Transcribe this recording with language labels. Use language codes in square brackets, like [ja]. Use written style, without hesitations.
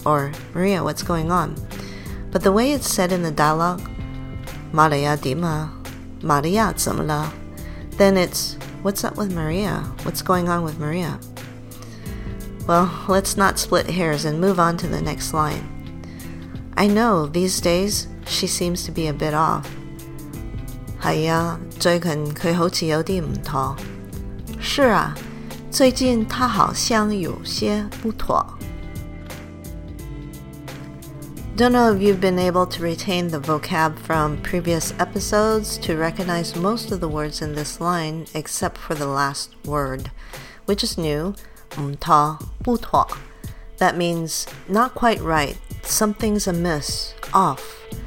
[en] Or Maria, what's going on? But the way it's said in the dialogue, Maria, Dima,Maria [zh] 怎么了? [en] Then it's, what's up with Maria? What's going on with Maria? Well, let's not split hairs and move on to the next line. I know, these days, she seems to be a bit off. [zh] 是啊，最近她好像有点不妥。是啊，最近她好像有些不妥。 [en] Don't know if you've been able to retain the vocab from previous episodes to recognize most of the words in this line except for the last word, which is new, [zh] 不妥不妥。 [en] That means not quite right, something's amiss, off.